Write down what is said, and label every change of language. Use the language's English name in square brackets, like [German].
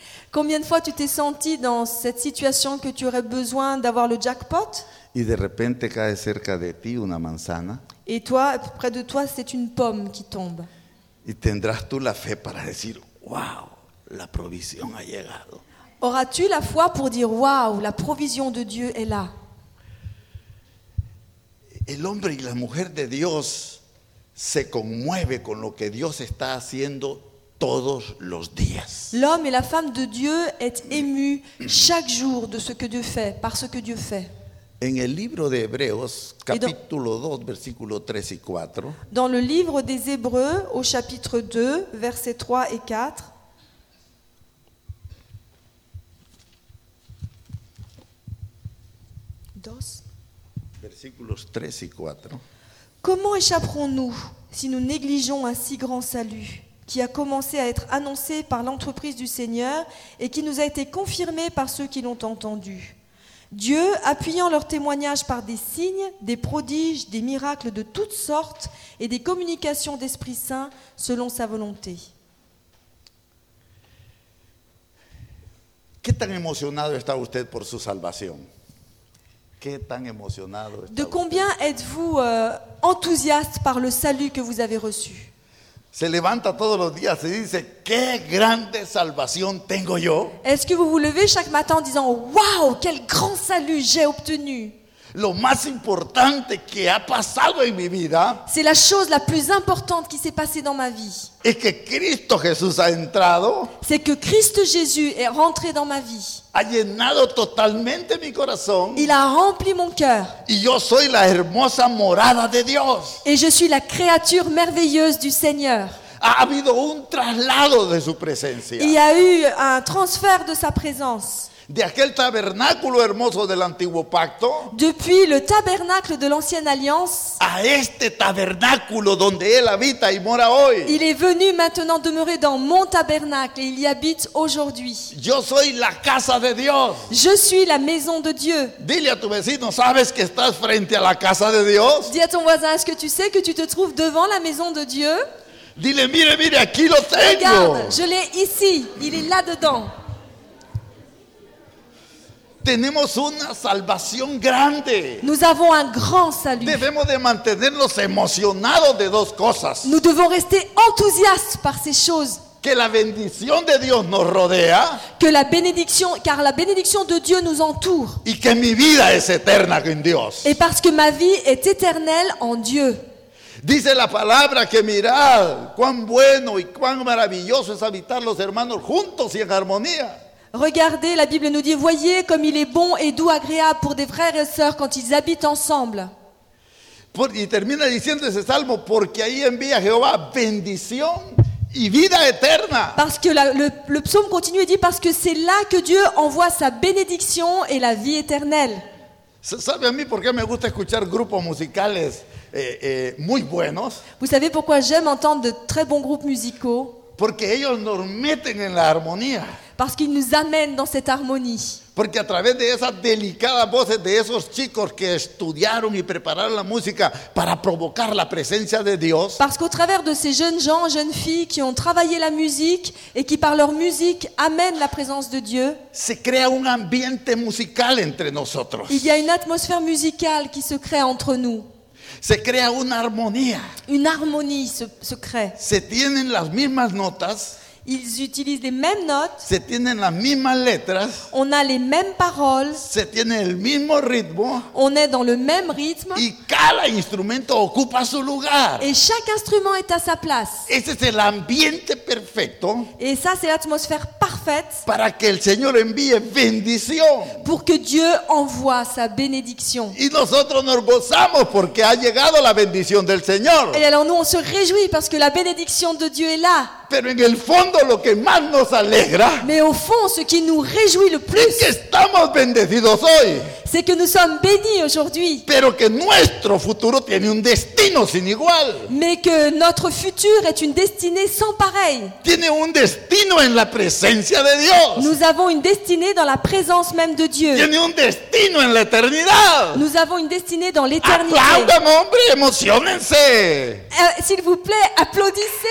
[French] Combien de fois tu t'es senti dans cette situation que tu aurais besoin d'avoir le jackpot? [Spanish] Y de repente cae cerca de ti una manzana. [French] Et toi, près de toi, c'est une pomme qui tombe. [Spanish] Y tendrás tú la fe para decir, wow, la provisión ha llegado. [French] Auras-tu la foi pour dire, wow, la provision de Dieu est là? [Spanish] El hombre y la mujer de Dios se conmueve con lo que Dios está haciendo todos los días. [French] L'homme et la femme de Dieu est ému chaque jour de ce que Dieu fait, par ce que Dieu fait. [Spanish] En el libro de Hebreos, capítulo 2, versículos 3 y 4. [French] Dans le livre des Hébreux, au chapitre 2, versets 3 et 4. [Spanish] Versículos 3 y 4. [French] Comment échapperons-nous si nous négligeons un si grand salut qui a commencé à être annoncé par l'entreprise du Seigneur et qui nous a été confirmé par ceux qui l'ont entendu? Dieu, appuyant leur témoignage par des signes, des prodiges, des miracles de toutes sortes et des communications d'Esprit Saint selon sa volonté. [Spanish] ¿Qué tan emocionado está usted por su salvación? ¿Qué tan emocionado está [French] de combien [Spanish] usted? [French] Êtes-vous enthousiaste par le salut que vous avez reçu? [Spanish] Se levanta todos los días y dice, qué grande salvación tengo yo. [French] Est-ce que vous vous levez chaque matin en disant, waouh, quel grand salut j'ai obtenu? [Spanish] Lo más importante que ha pasado en mi vida. [French] C'est la chose la plus importante qui s'est passée dans ma vie. [Spanish] Es que Cristo Jesús ha entrado. [French] C'est que Christ Jésus est rentré dans ma vie. [Spanish] Ha llenado totalmente mi corazón. [French] Il a rempli mon cœur. [Spanish] Y yo soy la hermosa morada de Dios. [French] Et je suis la créature merveilleuse du Seigneur. [Spanish] Ha habido un traslado de su presencia. [French] Il y a eu un transfert de sa présence. [Spanish] De aquel tabernáculo hermoso del antiguo pacto. [French] Depuis le tabernacle de l'ancienne alliance. [Spanish] A este tabernáculo donde él habita y mora hoy. [French] Il est venu maintenant demeurer dans mon tabernacle et il y habite aujourd'hui. [Spanish] Yo soy la casa de Dios. [French] Je suis la maison de Dieu. [Spanish] Dile a tu vecino, ¿sabes que estás frente a la casa de Dios? [French] Dis à ton voisin, est-ce que tu sais que tu te trouves devant la maison de Dieu? [Spanish] Dile, mire, mire, aquí lo tengo. [French] Regarde, je l'ai ici, il est là-dedans. [Spanish] Tenemos una salvación grande. [French] Nous avons un grand salut. [Spanish] Debemos de mantenernos emocionados de dos cosas. [French] Nous devons rester enthousiastes par ces choses. [Spanish] Que la bendición de Dios nos rodea. [French] Que la bénédiction, car la bénédiction de Dieu nous entoure. [Spanish] Y que mi vida es eterna en Dios. [French] Et parce que ma vie est éternelle en Dieu. [Spanish] Dice la palabra que mirad cuán bueno y cuán maravilloso es habitar los hermanos juntos y en armonía. [French] Regardez, la Bible nous dit, voyez comme il est bon et doux, agréable pour des frères et sœurs quand ils habitent ensemble. [Spanish] Y termina diciendo ese salmo, porque ahí envía Jehová bendición y vida eterna. [French] Parce que le psaume continue et dit, parce que c'est là que Dieu envoie sa bénédiction et la vie éternelle. [Spanish] ¿Sabe a mí por qué me gusta escuchar grupos musicales muy buenos? [French] Vous savez pourquoi j'aime entendre de très bons groupes musicaux? [Spanish] Porque ellos nos meten en la armonía. [French] Parce qu'il nous amène dans cette harmonie. [Spanish] Porque a través de esas delicadas voces de esos chicos que estudiaron y prepararon la música para provocar la presencia de Dios. [French] Parce qu'au travers de ces jeunes gens, jeunes filles qui ont travaillé la musique et qui par leur musique amènent la présence de Dieu. [Spanish] Se crea un ambiente musical entre nosotros. [French] Il y a une atmosphère musicale qui se crée entre nous. [Spanish] Se crea una armonía. [French] Une harmonie se crée. [Spanish] Se tienen las mismas notas. [French] Ils utilisent les mêmes notes. [Spanish] Se tienen las mismas letras. [French] On a les mêmes paroles. [Spanish] Se tiene el mismo ritmo. [French] On est dans le même rythme. [Spanish] Y cada instrumento ocupa su lugar. [French] Et chaque instrument est à sa place. [Spanish] Ese es el ambiente perfecto. [French] Et ça c'est l'atmosphère parfaite. [Spanish] Para que el Señor envíe bendición. [French] Pour que Dieu envoie sa bénédiction. [Spanish] Y nosotros nos gozamos porque ha llegado la bendición del Señor. [French] Et alors nous on se réjouit parce que la bénédiction de Dieu est là. [Spanish] Pero en el fondo lo que más nos alegra. [French] Mais au fond ce qui nous réjouit le plus. [Spanish] Es que estamos bendecidos hoy. [French] C'est que nous sommes bénis aujourd'hui. [Spanish] Pero que nuestro futuro tiene un destino sin igual. [French] Mais que notre futur est une destinée sans pareil. [Spanish] Tiene un destino en la presencia de Dios. [French] Nous avons une destinée dans la présence même de Dieu. [Spanish] Tiene un destino en la eternidad. [French] Nous avons une destinée dans l'éternité. [Spanish] Aplaudan, hombre, emocionense. [French] S'il vous plaît, applaudissez.